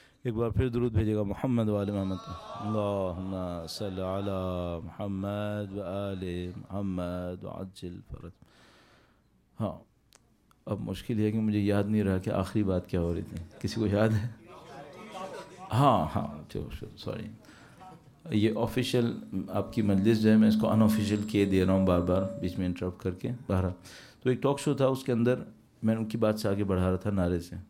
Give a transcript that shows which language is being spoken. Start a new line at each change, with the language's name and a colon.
Urdu: ایک بار پھر درود بھیجے گا محمد وآل محمد.
Arabic: اللهم صل على محمد وآل محمد وعجل فرج.
Urdu: ہاں اب مشکل یہ ہے کہ مجھے یاد نہیں رہا کہ آخری بات کیا ہو رہی تھی, کسی کو یاد ہے؟ ہاں ہاں سوری, یہ آفیشیل آپ کی مجلس جو ہے میں اس کو ان آفیشیل کیے دے رہا ہوں بار بار بیچ میں انٹرپٹ کر کے. بہرحال تو ایک ٹاک شو تھا, اس کے اندر میں ان کی بات سے آگے بڑھا رہا تھا نعرے سے.